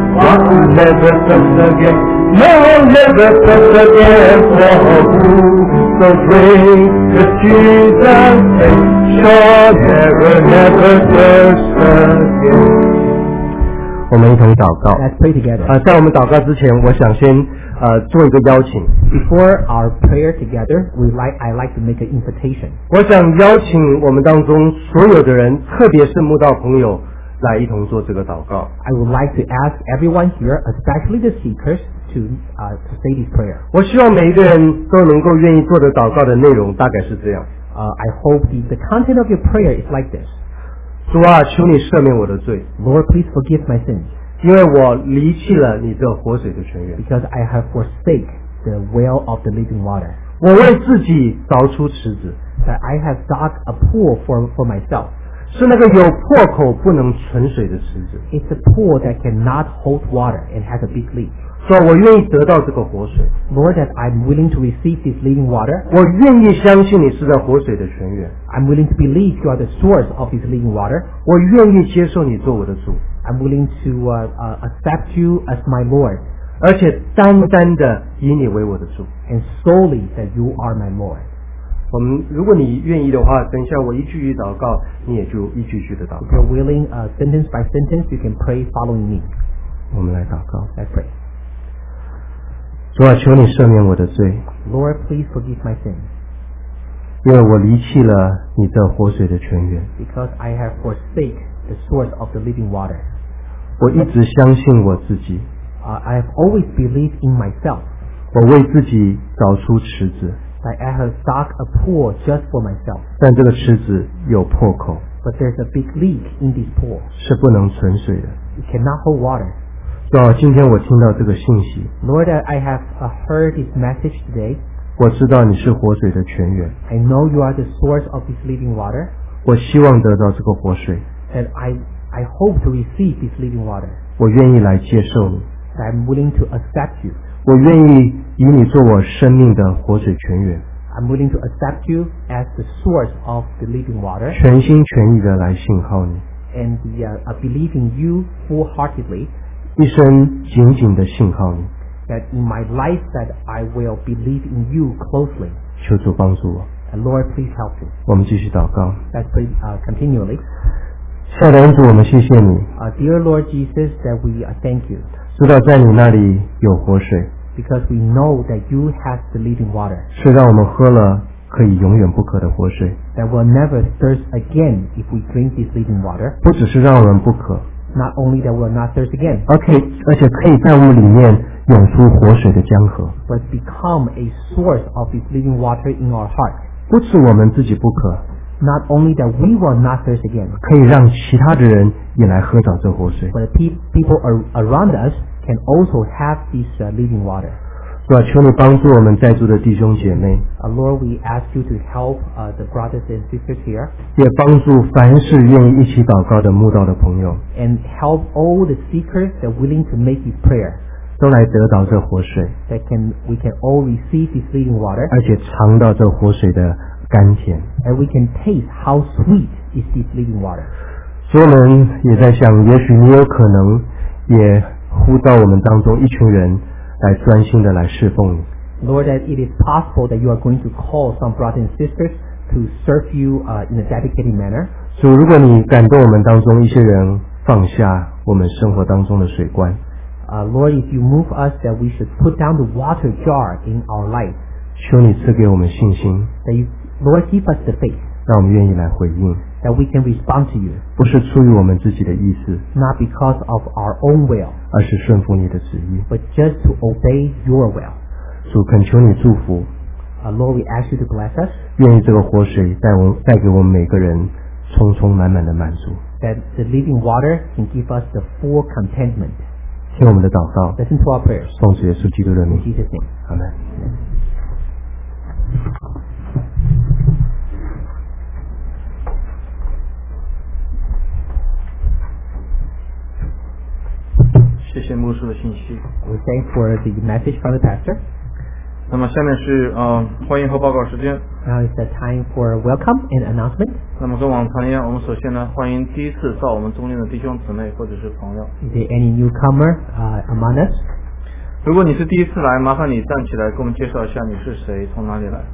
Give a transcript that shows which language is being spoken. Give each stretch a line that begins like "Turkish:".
English: What never thirst again? No, never thirst again. For who so great as Jesus said, shall never, never thirst again.
Chinese: 我们一同祷告。
English: Let's pray together.
Chinese: 在我们祷告之前，我想先做一个邀请。
English: Before our prayer together, I'd like to make an invitation.
Chinese: 我想邀请我们当中所有的人，特别是慕道朋友，来一同做这个祷告。
English: I would like to ask everyone here, especially the seekers, to say this prayer.
Chinese: 我希望每一个人都能够愿意做的祷告的内容大概是这样。
English: I hope the content of your prayer is like this.
Chinese: 主啊，求你赦免我的罪。
English: Lord, please forgive my sins.
Chinese: 因为我离弃了你这活水的泉源。
English: Because I have forsaken the well of the living water.
Chinese: 我为自己凿出池子。
English: That I have dug a pool for myself.
Chinese: 是那个有破口不能存水的池子。
English: It's a pool that cannot hold water and has a big leak.
Chinese: 说我愿意得到这个活水。
English: Lord, that I'm willing to receive this living water.
Chinese: 我愿意相信你是在活水的泉源。
English: I'm willing to believe you are the source of this living water.
Chinese: 我愿意接受你做我的主。
English: I'm willing to accept you as my Lord.
Chinese: 而且单单的以你为我的主。
English: And solely that you are my Lord.
Chinese: 我们如果你愿意的话等一下我一句一祷告你也就一句一句的祷告
English: If you're willing, sentence by sentence you can pray following me
Chinese: 我们来祷告
English: Let's pray
Chinese: 主啊求你赦免我的罪
English: Lord please forgive my sins
Chinese: 因为我离弃了你的活水的泉源
English: Because I have forsaken the source of the living water
Chinese: 我一直相信我自己
English: I have always believed in myself
Chinese: 我为自己找出池子
English: That I have dug a pool just for myself.
Chinese: 但这个池子有破口
English: But there's a big leak in this pool.
Chinese: 是不能存水的
English: It cannot hold water.
Chinese: 主啊，今天我听到这个信息
English: Lord, I have heard this message today.
Chinese: 我知道你是活水的泉源
English: I know you are the source of this living water.
Chinese: 我希望得到这个活水
English: And I hope to receive this living water.
Chinese: 我愿意来接受你
English: I'm willing to accept you.
Chinese: 我愿意以你做我生命的活水泉源
English: I'm willing to accept you as the source of the living water
Chinese: 全心全意的来信靠你
English: And believe in you wholeheartedly
Chinese: 一生紧紧的信靠你
English: That in my life that I will believe in you closely
Chinese: 求主帮助我
English: And Lord please help me
Chinese: 我们继续祷告
English: Let's pray continually
Chinese: 亲爱的恩主我们谢谢你
English: Dear Lord Jesus that we thank you
Chinese: 知道在你那里有活水
English: Because we know that you have the living water
Chinese: 是让我们喝了可以永远不渴的活水
English: That will never thirst again if we drink this living water
Chinese: 不只是让我们不渴
English: Not only that we will not thirst again
Chinese: 而且可以在我们里面涌出活水的江河
English: But become a source of this living water in our heart
Chinese: 不止我们自己不渴
English: Not only that we will not thirst again
Chinese: 可以让其他的人也来喝到这活水
English: But people around us can also have this living water
Chinese: 主啊求你帮助我们在座的弟兄姐妹
English: Lord we ask you to help the brothers and sisters here
Chinese: 也帮助凡是愿意一起祷告的慕道的朋友
English: And help all the seekers that are willing to make this prayer
Chinese: 都来得到这活水
English: That we can all receive this living water
Chinese: 而且尝到这活水的甘甜
English: And we can taste how sweet is this living water
Chinese: 所以我们也在想也许你有可能也呼召我们当中一群人来专心的来侍奉你
English: Lord that it is possible that you are going to call some brothers and sisters to serve you in a dedicated manner
Chinese: 主如果你感动我们当中一些人放下我们生活当中的水罐
English: Lord if you move us that we should put down the water jar in our life
Chinese: 求你赐给我们信心
English: that you, Lord give us the faith
Chinese: 让我们愿意来回应
English: That we can respond to you.
Chinese: 不是出于我们自己的意思
English: Not because of our own will.
Chinese: 而是顺服你的旨意
English: But just to obey your will.
Chinese: 主恳求你祝福
English: Lord, we ask you to bless us.
Chinese: 愿意这个活水带给我们每个人充充满满的满足
English: That the living water can give us the full contentment.
Chinese: 听我们的祷告
English: Listen to our prayers.
Chinese: 奉主耶稣基督的名
English: In Jesus' name. Amen. We thank for the message from the pastor.
Chinese: 那么下面是欢迎和报告时间。
English: Now is the time for welcome and announcement.
Chinese: 那么跟往常一样，我们首先呢欢迎第一次到我们中间的弟兄姊妹或者是朋友。
English: Is there any newcomer among us?
Chinese: 如果你是第一次来，麻烦你站起来，给我们介绍一下你是谁，从哪里来。